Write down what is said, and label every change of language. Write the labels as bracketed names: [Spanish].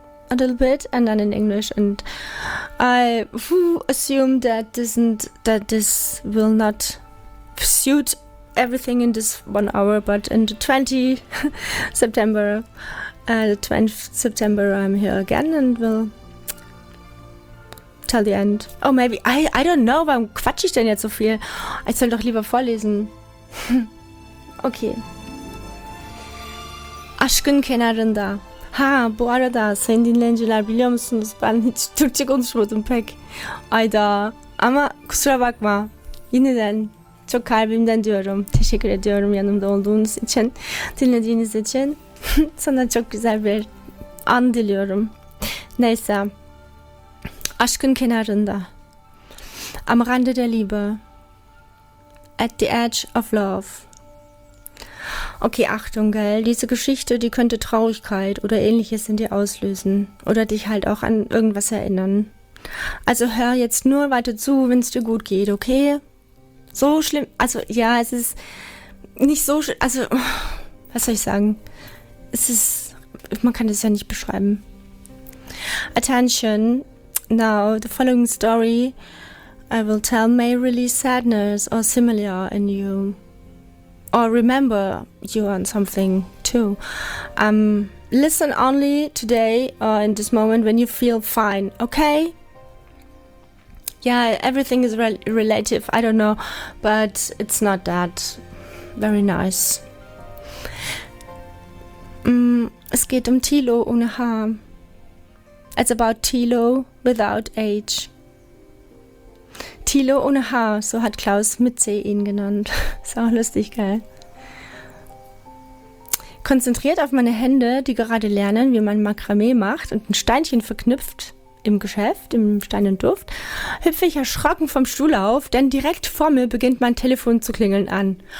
[English] A little bit, and then in English, and I assume that this will not suit everything in this 1 hour, but in the 20th September, I'm here again and will tell the end. Oh, maybe, I don't know, [German] warum quatsche ich denn jetzt so viel? Ich soll doch lieber vorlesen. Okay. [Turkish] Aşkın kenarında. Ha, bu arada sayın dinleyiciler biliyor musunuz? Ben hiç Türkçe konuşmadım pek. Ayda. Ama kusura bakma. Yeniden çok kalbimden diyorum. Teşekkür ediyorum yanımda olduğunuz için. Dinlediğiniz için. Sana çok güzel bir an diliyorum. Neyse. Aşkın kenarında. [German] Am Rande der Liebe. [English] At the edge of love. [German] Okay, Achtung, gell, diese Geschichte, die könnte Traurigkeit oder Ähnliches in dir auslösen oder dich halt auch an irgendwas erinnern. Also hör jetzt nur weiter zu, wenn es dir gut geht, okay? So schlimm, also ja, es ist nicht so schlimm, also, was soll ich sagen? Es ist, man kann das ja nicht beschreiben. [English] Attention, now the following story I will tell may release sadness or similar in you. Or remember you on something too. Listen only today or in this moment when you feel fine, okay? Yeah, everything is relative, I don't know, but it's not that very nice. [German] Es geht Thilo ohne H. [English] It's about Thilo without H. [German] Thilo ohne H, so hat Klaus mit C ihn genannt. Ist auch lustig, gell? Konzentriert auf meine Hände, die gerade lernen, wie man Makramee macht und ein Steinchen verknüpft, im Geschäft, im Stein und Duft, hüpfe ich erschrocken vom Stuhl auf, denn direkt vor mir beginnt mein Telefon zu klingeln an.